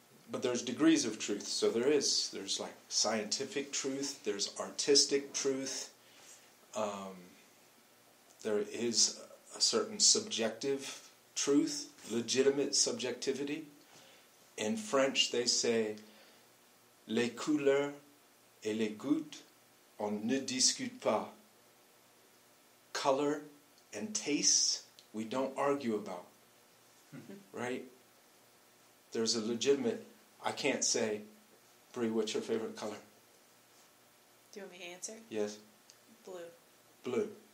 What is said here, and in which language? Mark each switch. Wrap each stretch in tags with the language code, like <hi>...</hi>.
<en>But there's degrees of truth. So there's like scientific truth, there's artistic truth, there is a certain subjective truth, legitimate subjectivity. In French, they say,</en> <fr>les couleurs et les goûts, on ne discute pas.</fr> <en>Color and tastes, we don't argue about. Mm-hmm. Right? There's a legitimate, I can't say, Brie, what's your favorite color? Do you want me to answer? Yes. Blue.</en>